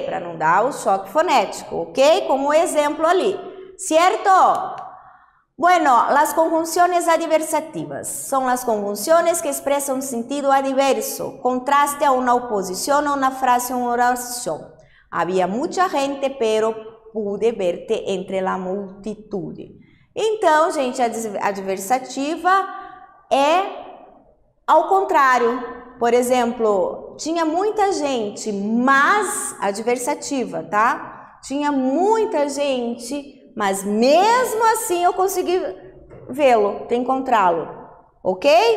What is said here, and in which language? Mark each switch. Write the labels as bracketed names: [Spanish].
[Portuguese] Para não dar o choque fonético, ok? Como exemplo ali, certo? Bueno, as conjunções adversativas são as conjunções que expressam um sentido adverso, contraste a uma oposição ou uma frase ou uma oração. Havia muita gente, [Spanish] pero pude verte entre la multitud. [Portuguese] Então, gente, adversativa é ao contrário. Por exemplo, tinha muita gente, mas adversativa, tá? Tinha muita gente, mas mesmo assim eu consegui vê-lo, encontrá-lo, ok?